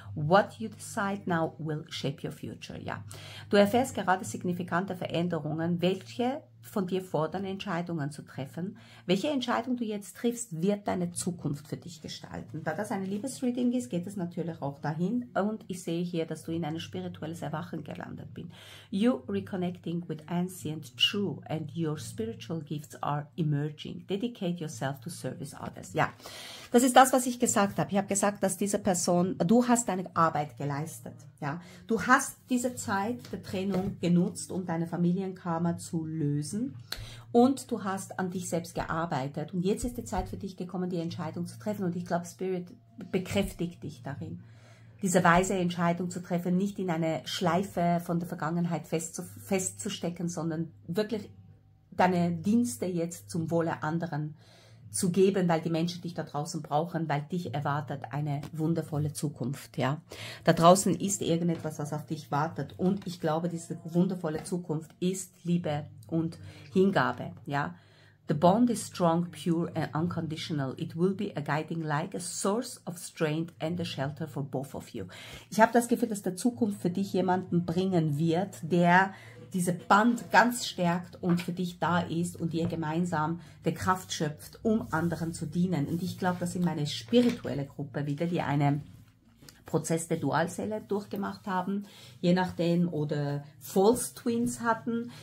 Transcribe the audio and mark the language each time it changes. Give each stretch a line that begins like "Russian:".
English: What you decide now will shape your future.
German: Ja. Du erfährst gerade signifikante Veränderungen, welche von dir fordern, Entscheidungen zu treffen. Welche Entscheidung du jetzt triffst, wird deine Zukunft für dich gestalten. Da das eine Liebesreading ist, geht es natürlich auch dahin. Und ich sehe hier, dass du in ein spirituelles Erwachen gelandet bist.
English: You reconnecting with ancient true and your spiritual gifts are emerging. Dedicate yourself to service others.
German: Ja, das ist das, was ich gesagt habe. Ich habe gesagt, dass diese Person, du hast deine Arbeit geleistet. Ja, du hast diese Zeit der Trennung genutzt, um deine Familienkarma zu lösen und du hast an dich selbst gearbeitet und jetzt ist die Zeit für dich gekommen, die Entscheidung zu treffen und ich glaube, Spirit bekräftigt dich darin, diese weise Entscheidung zu treffen, nicht in eine Schleife von der Vergangenheit festzustecken, sondern wirklich deine Dienste jetzt zum Wohle anderen zu geben, weil die Menschen dich da draußen brauchen, weil dich erwartet eine wundervolle Zukunft. Ja, da draußen ist irgendetwas, was auf dich wartet. Und ich glaube, diese wundervolle Zukunft ist Liebe und Hingabe.
English: Ja. The bond is strong, pure and unconditional. It will be a guiding light, a source of strength and a shelter for both of you.
German: Ich habe das Gefühl, dass der Zukunft für dich jemanden bringen wird, der diese Band ganz stärkt und für dich da ist und ihr gemeinsam die Kraft schöpft, um anderen zu dienen. Und ich glaube, das sind meine spirituelle Gruppe wieder, die einen Prozess der Dualseele durchgemacht haben, je nachdem, oder False Twins hatten.